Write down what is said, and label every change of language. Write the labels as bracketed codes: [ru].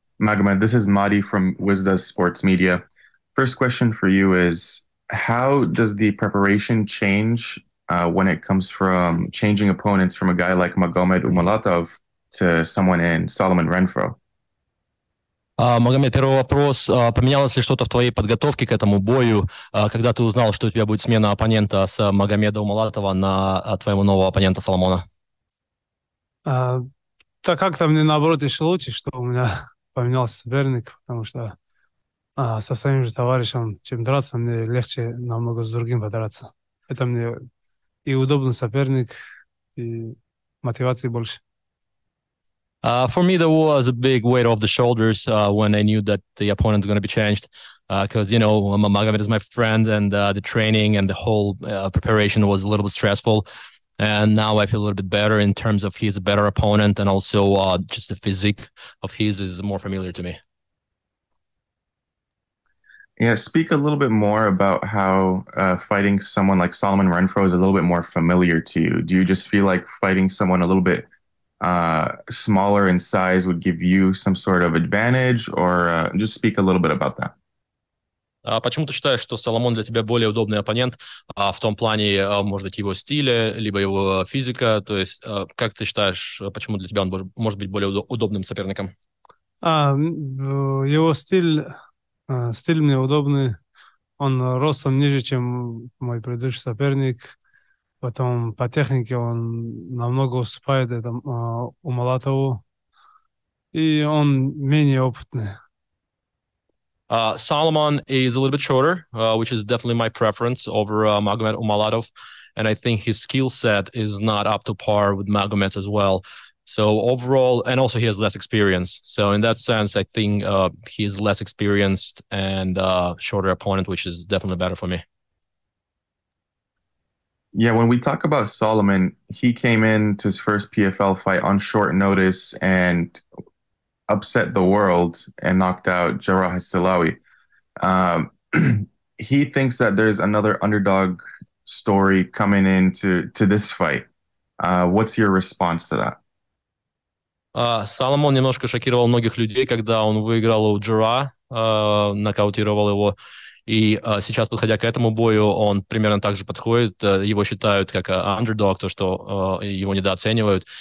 [en] Magomed, this is Madi from Wizda Sports Media. First question for you is, how does the preparation change when it comes from changing opponents from a guy like Magomed Umalatov to someone in Solomon Renfro? [ru] Магомед, первый вопрос. Поменялось ли что-то в твоей подготовке к этому бою, когда ты узнал, что у тебя будет смена оппонента с Магомеда Умалатова на твоего нового оппонента Соломона? Так как-то мне наоборот еще лучше, что у меня поменялся соперник, потому что со своим же товарищем, чем драться, мне легче намного с другим подраться. Это мне и удобный соперник, и мотивации больше. [en] For me, there was a big weight off the shoulders when I knew that the opponent was going to be changed. Because, Magomed is my friend, and the training and the whole preparation was a little bit stressful. And now I feel a little bit better in terms of he's a better opponent, and also just the physique of his is more familiar to me. Yeah, speak a little bit more about how fighting someone like Solomon Renfro is a little bit more familiar to you. Do you just feel like fighting someone a little bit smaller in size would give you some sort of advantage, or just speak a little bit about that? [ru] Почему ты считаешь, что Соломон для тебя более удобный оппонент, в том плане, может быть, его стиля, либо его физика? То есть, как ты считаешь, почему для тебя он может быть более удобным соперником? Его стиль мне удобный. Он ростом ниже, чем мой предыдущий соперник. Потом по технике он намного уступает этому Умалатову. И он менее опытный. [en] Solomon is a little bit shorter, which is definitely my preference over Magomed Umalatov, and I think his skill set is not up to par with Magomed's as well. So overall, and also he has less experience. So in that sense, I think he is less experienced and shorter opponent, which is definitely better for me. Yeah, when we talk about Solomon, he came in to his first PFL fight on short notice and upset the world and knocked out Jarrah Heselaoui. he thinks that there's another underdog story coming into to this fight. What's your response to that? [ru] Соломон немножко шокировал многих людей, когда он выиграл у Джура, нокаутировал его. И сейчас, подходя к этому бою, он примерно так же подходит. Его считают как underdog, то, что его недооценивают.